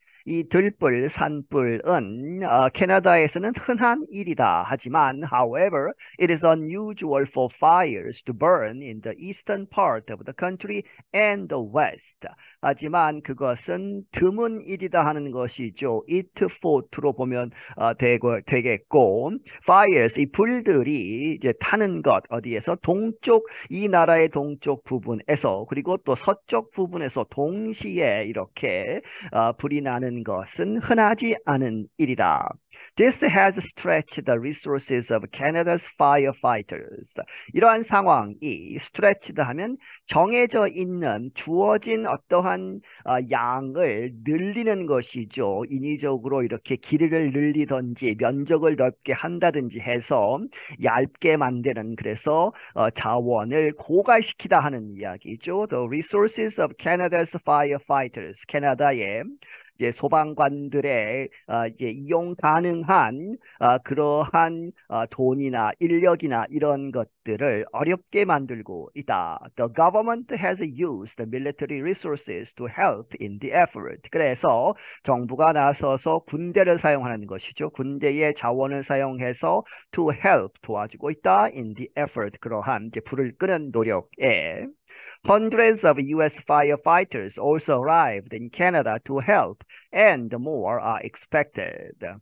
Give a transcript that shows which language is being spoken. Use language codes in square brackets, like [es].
[ko] 이 들불, 산불은 캐나다에서는 흔한 일이다. 하지만, [en] however, it is unusual for fires to burn in the eastern part of the country and the west. [ko] 하지만 그것은 드문 일이다 하는 것이죠. It for로 보면 되겠고, fires, 이 불들이 이제 타는 것, 어디에서 동쪽, 이 나라의 동쪽 부분에서, 그리고 또 서쪽 부분에서 동시에 이렇게 불이 나는 것. 것은 흔하지 않은 일이다. [en] This has stretched the resources of Canada's firefighters. [ko] 이러한 상황이 stretched 하면 정해져 있는 주어진 어떠한 양을 늘리는 것이죠. 인위적으로 이렇게 길이를 늘리든지 면적을 넓게 한다든지 해서 얇게 만드는 그래서 자원을 고갈시키다 하는 이야기죠. [en] The resources of Canada's firefighters. [ko] 캐나다의 이제 소방관들의 이제 이용 가능한 그러한 돈이나 인력이나 이런 것들을 어렵게 만들고 있다. [en] The government has used the military resources to help in the effort. [ko] 그래서 정부가 나서서 군대를 사용하는 것이죠. 군대의 자원을 사용해서 [en] to help [ko] 도와주고 있다. [en] In the effort [ko] 그러한 이제 불을 끄는 노력에. [en] Hundreds of US firefighters also arrived in Canada to help, and more are expected.